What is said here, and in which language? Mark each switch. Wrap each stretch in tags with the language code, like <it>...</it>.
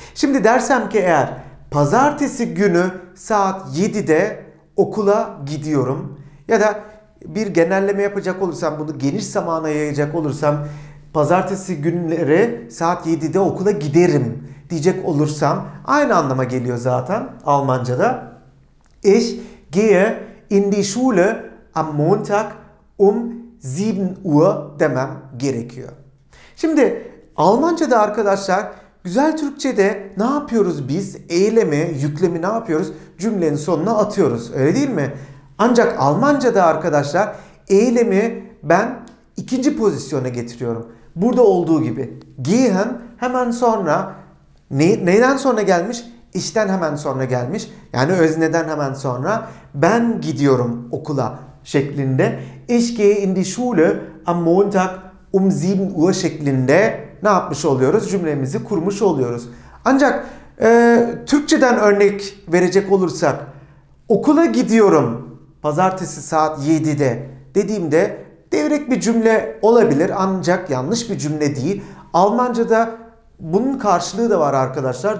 <tr>Şimdi dersem ki eğer pazartesi günü saat 7'de okula gidiyorum. Ya da bir genelleme yapacak olursam, bunu geniş zamana yayacak olursam, pazartesi günleri saat 7'de okula giderim diyecek olursam, aynı anlama geliyor zaten Almanca'da.</tr> <de>Ich gehe in die Schule am Montag 7 Uhr</de> <tr>demem gerekiyor. Şimdi Almanca'da arkadaşlar, güzel Türkçe'de ne yapıyoruz biz? Eylemi, yüklemi ne yapıyoruz? Cümlenin sonuna atıyoruz. Öyle değil mi? Ancak Almanca'da arkadaşlar eylemi ben ikinci pozisyona getiriyorum. Burada olduğu gibi. Gehen hemen sonra neyden sonra gelmiş? İşten hemen sonra gelmiş. Yani özneden hemen sonra ben gidiyorum okula şeklinde.</tr> <de>Ich gehe in die Schule am Montag 7 Uhr</de> <tr>şeklinde ne yapmış oluyoruz? Cümlemizi kurmuş oluyoruz. Ancak Türkçeden örnek verecek olursak okula gidiyorum pazartesi saat 7'de dediğimde devrek bir cümle olabilir ancak yanlış bir cümle değil. Almanca'da bunun karşılığı da var arkadaşlar.</tr>